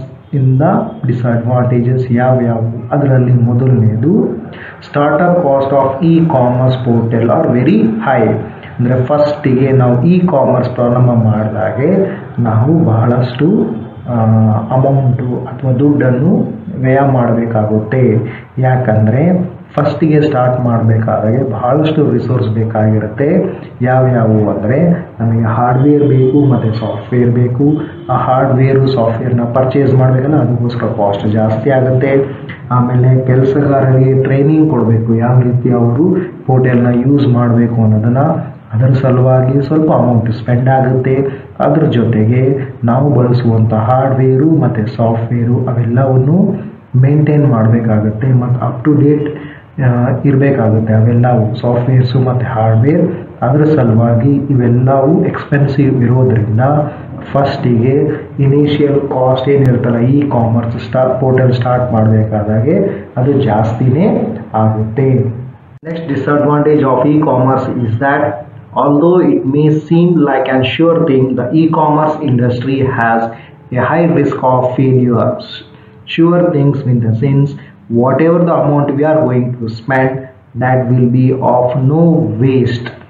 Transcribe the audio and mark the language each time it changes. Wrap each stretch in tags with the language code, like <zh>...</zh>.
<en>In the disadvantages,</en> <kn>yavu adralli modalnedu</kn> <en>startup cost of e-commerce portal are very high.</en> <kn>ಅಂದರೆ ಫಸ್ಟಿಗೆ ನಾವು e-commerce ಪ್ರಾರಂಭ ಮಾಡಿದಾಗೆ ನಾವು ಬಹಳಷ್ಟು ಅಮೌಂಟು ಅಥವಾ ದುಡ್ಡನ್ನು ವ್ಯಯ ಮಾಡಬೇಕಾಗುತ್ತೆ. ಯಾಕಂದರೆ ಫಸ್ಟಿಗೆ ಸ್ಟಾರ್ಟ್ ಮಾಡಬೇಕಾದಾಗೆ ಬಹಳಷ್ಟು ರಿಸೋರ್ಸ್ ಬೇಕಾಗಿರುತ್ತೆ. ಯಾವ್ಯಾವು ಅಂದರೆ ನಮಗೆ ಹಾರ್ಡ್ವೇರ್ ಬೇಕು ಮತ್ತು ಸಾಫ್ಟ್ವೇರ್ ಬೇಕು. ಆ ಹಾರ್ಡ್ವೇರು ಸಾಫ್ಟ್ವೇರ್ನ ಪರ್ಚೇಸ್ ಮಾಡಬೇಕಲ್ಲ, ಅದಕ್ಕೋಸ್ಕರ ಕಾಸ್ಟ್ ಜಾಸ್ತಿ ಆಗುತ್ತೆ. ಆಮೇಲೆ ಕೆಲಸಗಾರರಿಗೆ ಟ್ರೈನಿಂಗ್ ಕೊಡಬೇಕು, ಯಾವ ರೀತಿ ಅವರು ಪೋರ್ಟಲ್ನ ಯೂಸ್ ಮಾಡಬೇಕು ಅನ್ನೋದನ್ನು, ಅದರ ಸಲುವಾಗಿ ಸ್ವಲ್ಪ ಅಮೌಂಟ್ ಸ್ಪೆಂಡ್ ಆಗುತ್ತೆ. ಅದರ ಜೊತೆಗೆ ನಾವು ಬಳಸುವಂಥ ಹಾರ್ಡ್ವೇರು ಮತ್ತು ಸಾಫ್ಟ್ವೇರು ಅವೆಲ್ಲವನ್ನು ಮೇಂಟೈನ್ ಮಾಡಬೇಕಾಗುತ್ತೆ ಮತ್ತು ಅಪ್ ಟು ಡೇಟ್ ಇರಬೇಕಾಗುತ್ತೆ ಅವೆಲ್ಲವೂ ಸಾಫ್ಟ್ವೇರ್ಸು ಮತ್ತು ಹಾರ್ಡ್ವೇರ್. ಅದರ ಸಲುವಾಗಿ ಇವೆಲ್ಲವೂ ಎಕ್ಸ್ಪೆನ್ಸಿವ್ ಇರೋದರಿಂದ ಫಸ್ಟಿಗೆ initial cost ಏನಿರ್ತಲ್ಲ E commerce start portal start ಮಾಡಬೇಕಾದಾಗೆ ಅದು ಜಾಸ್ತಿನೇ ಆಗುತ್ತೆ.</kn> <en>Next disadvantage of e-commerce is that although it may seem like an sure thing, the e-commerce industry has a high risk of failures. Sure things in the sense, whatever the amount we are going to spend, that will be of no waste.</en>